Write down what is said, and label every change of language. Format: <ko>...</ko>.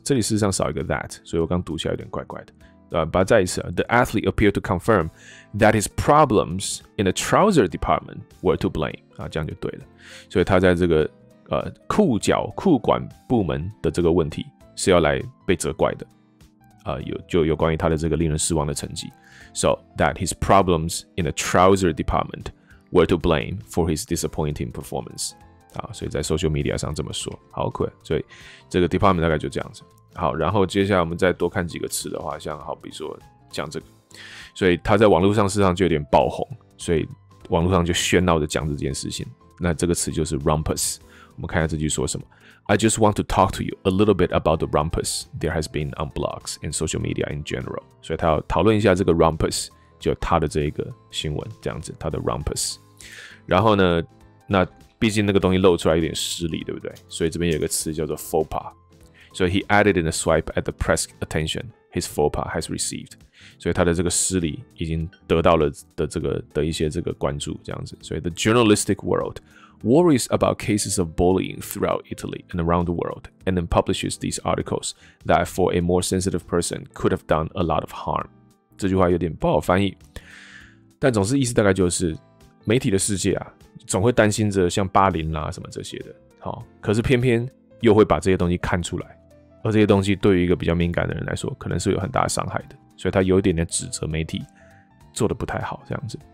<zh>这里事实上少一个 that， 所以我刚读起来有点怪怪的。把它再一次啊。</zh> <en>The athlete appeared to confirm that his problems in the trouser department were to blame.</en> <zh>啊，这样就对了。所以他在这个裤脚裤管部门的这个问题是要来被责怪的。有关于他的这个令人失望的成绩。</zh> <en>So that his problems in the trouser department were to blame for his disappointing performance.</en> <zh>好，所以在 social media 上这么说，好酷。所以这个 department 大概就这样子。好，然后接下来我们再多看几个词的话，像好比说像这个，所以他在网络上事实上就有点爆红，所以网络上就喧闹的讲这件事情。那这个词就是 rumpus， 我们看一下这句说什么。</zh> <en>I just want to talk to you a little bit about the rumpus there has been on blogs and social media in general。</en> <zh>所以他要讨论一下这个 rumpus， 就他的这一个新闻这样子，他的 rumpus。然后呢，那毕竟那个东西露出来有点失礼，对不对？所以这边有一个词叫做</zh> <en>faux pas。所以 he added in a swipe at the press attention his faux pas has received。</en> <zh>所以他的这个失礼已经得到了的这个的一些这个关注，这样子。</zh> <en>所以 the journalistic world worries about cases of bullying throughout Italy and around the world, and then publishes these articles that for a more sensitive person could have done a lot of harm。</en> <zh>这句话有点不好翻译，但总之意思大概就是媒体的世界啊。总会担心着像霸凌啦，啊，什么这些的，哦，可是偏偏又会把这些东西看出来，而这些东西对于一个比较敏感的人来说可能是有很大的伤害的，所以他有一点点指责媒体做得不太好这样子。</zh>